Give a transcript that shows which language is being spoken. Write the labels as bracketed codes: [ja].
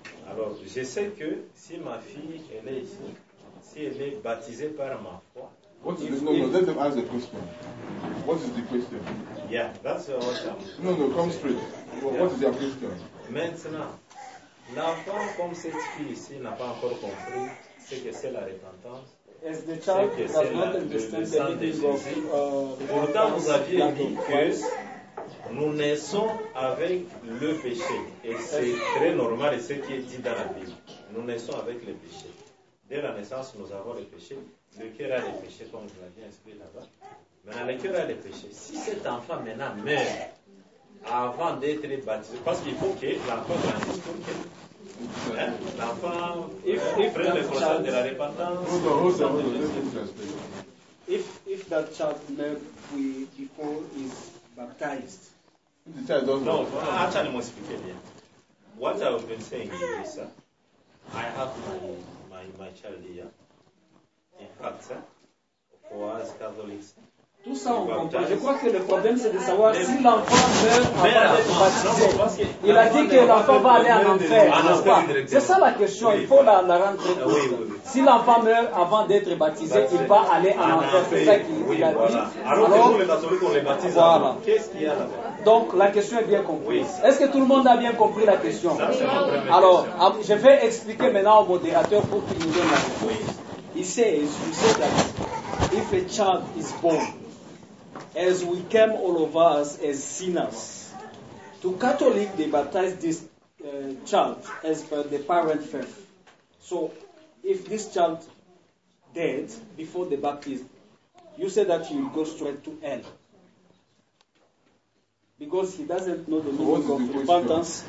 [fr] Alors, je sais que si ma fille, elle est ici, si elle est baptisée par ma foi. [en] What is the question? Let them ask the question. What is the question? Yeah, that's your question. No, no, come straight. Yeah. What is your question? [fr] Maintenant, l'enfant comme cette fille ici n'a pas encore compris ce que c'est la repentance. [en] As the child does not understand the meaning of [fr] pourtant vous aviez dit que nous naissons avec le péché. Et c'est très normal et ce qui est dit dans la Bible. Nous naissons avec le péché. Dès la naissance, nous avons le péché. Le cœur a le péché, comme vous l'avez inscrit là-bas. Maintenant, le cœur a le péché. Si cet enfant maintenant meurt avant d'être baptisé, parce qu'il faut que l'enfant grandisse pour que. [en] If that child left before he's baptized, the child doesn't know. Actually, must be clear. What I've been saying is, sir, I have my child here. In fact, sir, for us Catholics. [fr] Tout ça, on comprend. Je crois que le problème, c'est de savoir mais, si l'enfant meurt avant d'être baptisé. Il a dit que l'enfant va aller à l'enfer, n'est-ce pas? C'est ça la question. Il faut la rendre compte. Si l'enfant meurt avant d'être baptisé, il va aller à l'enfer. C'est ça qu'il a dit. Alors que nous, les catholiques, on les baptise. Voilà. Qu'est-ce qu'il y a là-bas? Donc, la question est bien comprise. Est-ce que tout le monde a bien compris la question? Alors, je vais expliquer maintenant au modérateur pour qu'il nous donne la réponse. Il sait, [en] that if a child is born, as we came all of us as sinners, to Catholic they baptize this child as per the parent faith. So, if this child dead before the baptism, you say that he will go straight to hell because he doesn't know the meaning of repentance.